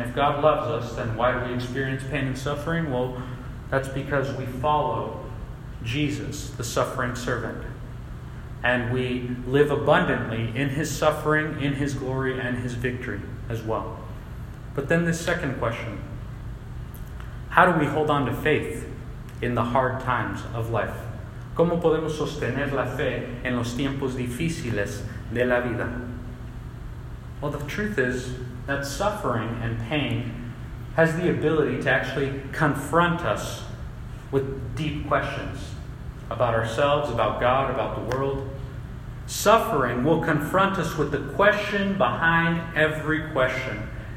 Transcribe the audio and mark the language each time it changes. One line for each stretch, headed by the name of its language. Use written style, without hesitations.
English: If God loves us, then why do we experience pain and suffering? Well, that's because we follow Jesus, the suffering servant. And we live abundantly in His suffering, in His glory, and His victory as well. But then the second question. How do we hold on to faith in the hard times of life?
Spanish: ¿Cómo podemos sostener la fe en los tiempos difíciles de la vida?
English: Well, the truth is, that suffering and pain has the ability to actually confront us with deep questions about ourselves, about God, about the world. Suffering will confront us with the question behind every question.